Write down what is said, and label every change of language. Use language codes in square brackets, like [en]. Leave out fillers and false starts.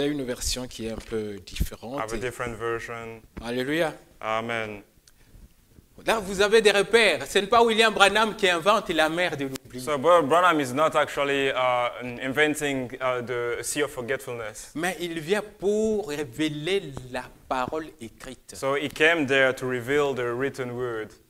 [fr] J'ai une version qui est un peu différente. [en] I have a different version. [fr] Alléluia. [en] Amen. [fr] Là, vous avez des repères. Ce n'est pas William Branham qui invente la mer de l'oubli. [en] So, bro, Branham is not actually inventing the sea of forgetfulness. [fr] Mais il vient pour révéler la parole écrite. [en] So he came there to reveal the written word.